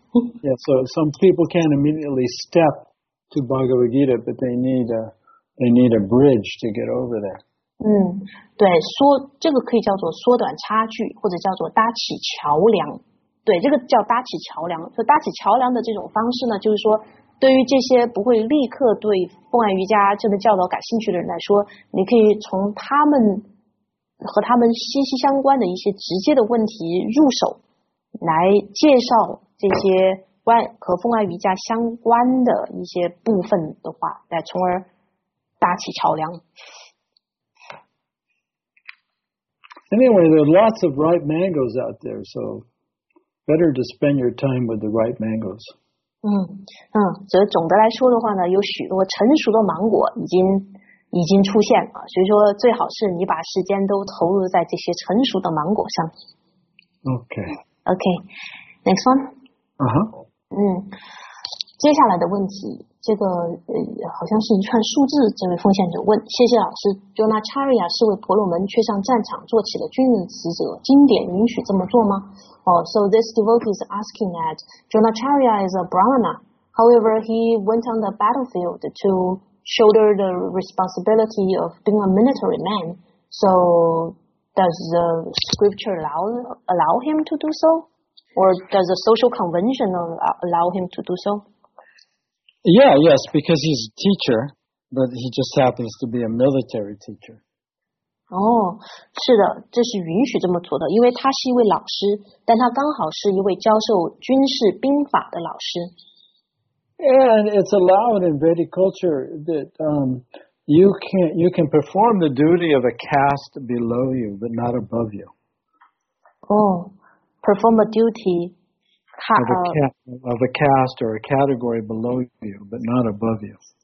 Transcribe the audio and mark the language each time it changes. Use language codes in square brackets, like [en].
[en] Yeah, so some people can't immediately step to Bhagavad Gita, but they need a bridge to get over there. [zh] 对，缩这个可以叫做缩短差距，或者叫做搭起桥梁。对，这个叫搭起桥梁。所以搭起桥梁的这种方式呢，就是说，对于这些不会立刻对奉爱瑜伽这个教导感兴趣的人来说，你可以从他们和他们息息相关的一些直接的问题入手，来介绍。这些和奉爱瑜伽相关的一些部分的话，来从而搭起桥梁。 [en] Anyway, there are lots of ripe mangoes out there, so better to spend your time with the ripe mangoes. [zh] 所以总的来说的话呢，有许多成熟的芒果已经出现了，所以说最好是你把时间都投入在这些成熟的芒果上。 [en] Okay. Next one. [zh] 接下来的问题，这个好像是一串数字。这位奉献者问：谢谢老师 ，Jonacharya 是为婆罗门却上战场做起了军人使者，经典允许这么做吗？ [en] So this devotee is asking that Jonacharya is a Brahmana, however he went on the battlefield to shoulder the responsibility of being a military man. So does the scripture allow him to do so? Or does the social convention allow him to do so? Yeah, yes, because he's a teacher, but he just happens to be a military teacher. [zh] 是的，这是允许这么做的，因为他是一位老师，但他刚好是一位教授军事兵法的老师。 [en] And it's allowed in Vedic culture that you can perform the duty of a caste below you, but not above you. Oh, perform a duty of a caste or a category below you, but not above you.